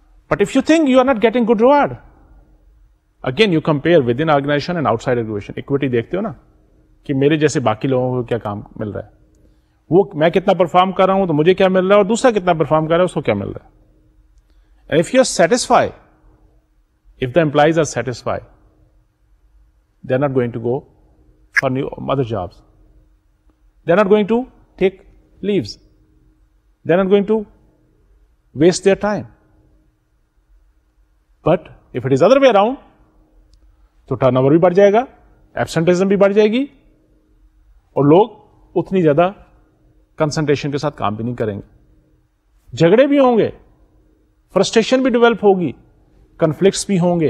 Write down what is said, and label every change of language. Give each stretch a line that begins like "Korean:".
English: but if you think you are not getting good reward, again you compare with in organization and outside organization,
Urdu: equity دیکھتے ہو نا کہ میرے جیسے باقی لوگوں کو کیا کام مل رہا ہے, وہ میں کتنا پرفارم کر رہا ہوں تو مجھے کیا مل رہا ہے اور دوسرا کتنا پرفارم کر رہا ہے اس کو کیا مل رہا ہے.
English: And if you are satisfy, if the employees are satisfy, they are not going to go for new other jobs, they are not going to take leaves, they are not going to waste their time. But if it is other way around
Urdu: تو turn over بھی بڑھ جائے گا, ایبسنٹیزم بھی بڑھ جائے گی اور لوگ اتنی زیادہ کنسنٹریشن کے ساتھ کام بھی نہیں کریں گے, جھگڑے بھی ہوں گے, فرسٹریشن بھی ڈیولپ ہوگی, کنفلکٹس بھی ہوں گے.